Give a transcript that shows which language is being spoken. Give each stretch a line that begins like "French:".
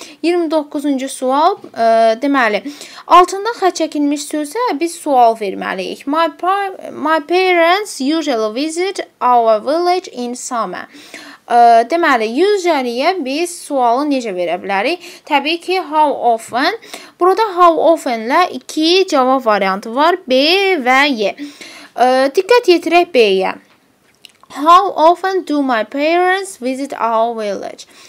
Azerbaijani: 29-cu sual, deməli, altında xətt çəkilmiş sözə biz sual verməliyik.
English: My parents usually visit our village in summer.
Azerbaijani: Deməli, usually-yə biz sualı necə verə bilərik? Təbii ki, how often. Burada how often-lə iki cavab variantı var, B və Y. Diqqət yetirək B-yə.
English: How often do my parents visit our village?